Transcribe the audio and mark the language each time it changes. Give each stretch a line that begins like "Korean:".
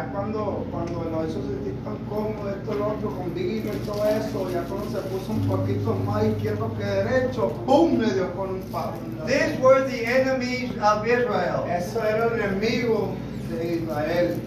Spanish: Ya cuando lo hizo sentir tan cómodo, esto lo otro, con vino y todo eso, ya cuando se puso un poquito más izquierdo que derecho, boom, le dio con un palo.
English: These were the enemies of Israel.
Spanish: Eso era el enemigo de Israel.